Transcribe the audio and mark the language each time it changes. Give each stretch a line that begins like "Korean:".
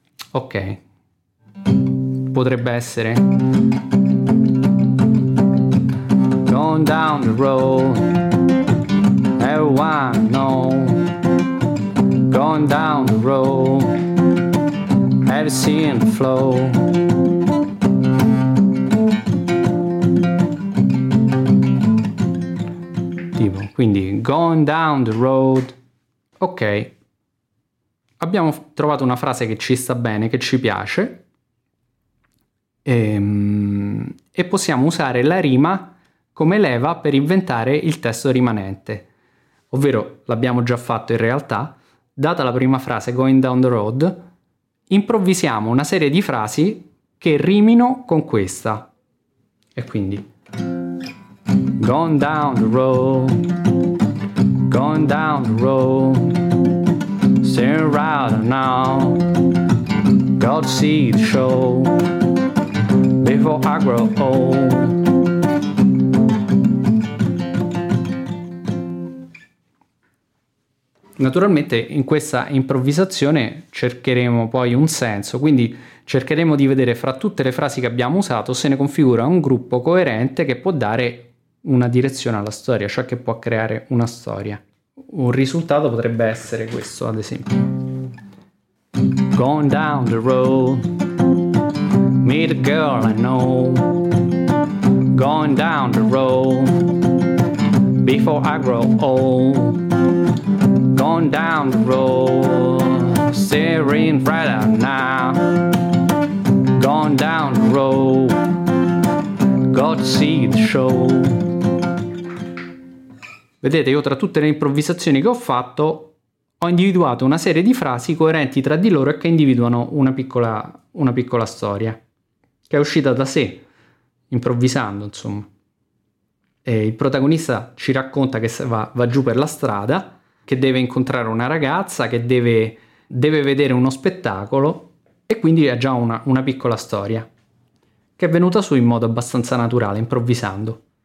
Italian: Ok, potrebbe essere
English: going down the road, everyone know, going down the road, have you seen the flow.
Italian: Tipo, quindi
English: going down the road.
Italian: Ok, abbiamo trovato una frase che ci sta bene, che ci piace, e possiamo usare la rima come leva per inventare il testo rimanente. Ovvero, l'abbiamo già fatto in realtà, data la prima frase,
English: going down the road,
Italian: improvvisiamo una serie di frasi che rimino con questa. E quindi
English: going down the road, going down the road, staring right now, got to see the show, before I grow old.
Italian: Naturalmente in questa improvvisazione cercheremo poi un senso, quindi cercheremo di vedere fra tutte le frasi che abbiamo usato se ne configura un gruppo coerente che può dare una direzione alla storia, cioè che può creare una storia. Un risultato potrebbe essere questo, ad esempio.
English: Going down the road, meet a girl I know, going down the road, before I grow old. Going down the road, staring right out now, going down the road, got to see the show.
Italian: Vedete, io tra tutte le improvvisazioni che ho fatto ho individuato una serie di frasi coerenti tra di loro e che individuano una piccola storia che è uscita da sé, improvvisando, insomma. E il protagonista ci racconta che va giù per la strada, che deve incontrare una ragazza, che deve vedere uno spettacolo, e quindi ha già una piccola storia che è venuta su in modo abbastanza naturale, improvvisando.